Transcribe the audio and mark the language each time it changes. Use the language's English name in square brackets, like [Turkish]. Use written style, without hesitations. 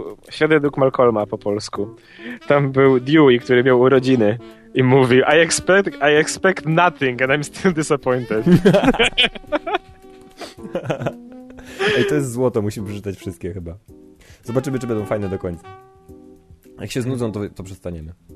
[Polish] Świat według Malcolma po polsku. Tam był Dewey, który miał urodziny. I mówi, [English] I expect nothing and I'm still disappointed. [Polish] Ej, to jest złoto, musimy przeczytać wszystkie chyba. Zobaczymy, czy będą fajne do końca. Jak się znudzą, to przestaniemy.